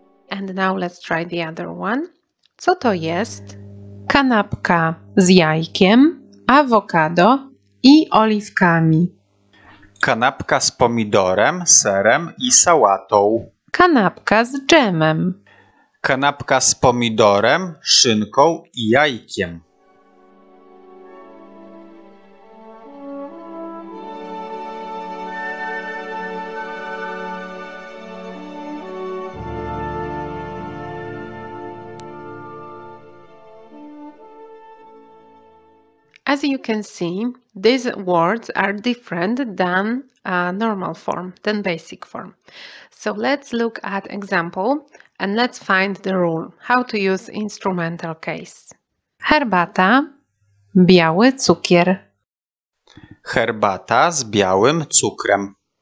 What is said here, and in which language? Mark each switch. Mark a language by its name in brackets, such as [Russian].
[English] And now let's try the other one. [Polish] Co to jest? Kanapka z jajkiem, awokado i oliwkami. Kanapka z pomidorem, serem i sałatą. Kanapka z dżemem. Kanapka z pomidorem, szynką i jajkiem. [English] As you can see, these words are different than a normal form, than basic form. So let's look at example and let's find the rule, how to use instrumental case. [Polish] Herbata, biały cukier. Herbata z białym cukrem.